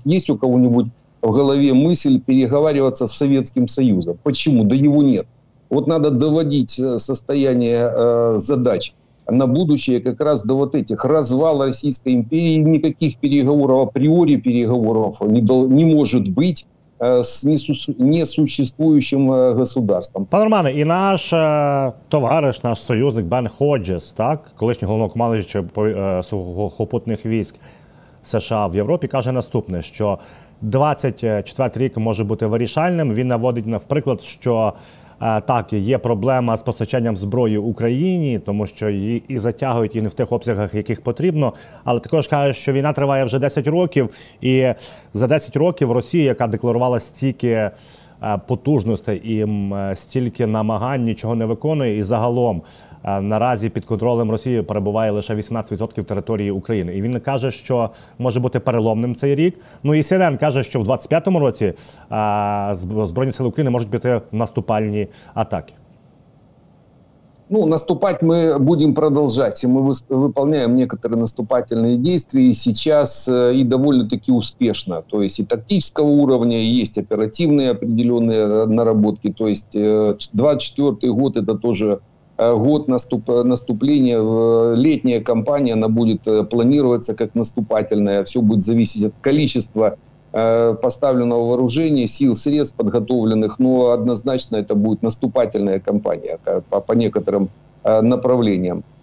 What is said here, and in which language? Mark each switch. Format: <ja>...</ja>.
<ru>Есть у кого-нибудь в голове мысль переговариваться с Советским Союзом? Почему? Да его нет. Вот надо доводить состояние задач на будущее как раз до вот этих развала Российской империи. Никаких переговоров, априори переговоров не может быть з несуществующим государством.</ru> <uk>Пане Романе, і наш товариш, наш союзник Бен Ходжес, так, колишній головнокомандувач сухопутних військ США в Європі, каже наступне, що 24 рік може бути вирішальним. Він наводить, наприклад, що так, є проблема з постачанням зброї Україні, тому що її і затягують, і не в тих обсягах, яких потрібно. Але також каже, що війна триває вже 10 років, і за 10 років Росія, яка декларувала стільки потужностей і стільки намагань, нічого не виконує. І загалом наразі під контролем Росії перебуває лише 18% території України. І він каже, що може бути переломним цей рік. Ну і CNN каже, що в 25-му році Збройні Сили України можуть піти в наступальні атаки. Ну, наступать ми будемо продовжувати. Ми виконуємо деякі наступальні дії і зараз, і доволі таки успішно. Тобто і тактичного рівня, і є оперативні определені наработки.</uk> <ru>Тобто 24-й рік – це теж год наступления, летняя кампания, она будет планироваться как наступательная. Все будет зависеть от количества поставленного вооружения, сил, средств подготовленных. Но однозначно это будет наступательная кампания по некоторым направлениям.</ru>